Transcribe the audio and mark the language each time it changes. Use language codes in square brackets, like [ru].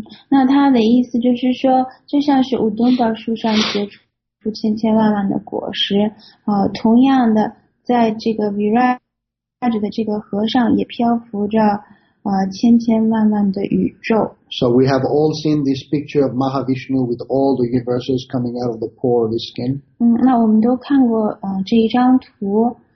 [zh] 那他的意思就是说就像是乌冬宝树上结出千千万万的果实同样的在这个 Viraja 的这个河上也漂浮着千千万万的宇宙。 [en] So we have all seen this picture of Mahavishnu with all the universes coming out of the pore of his skin. [zh] 那我们都看过这一张图。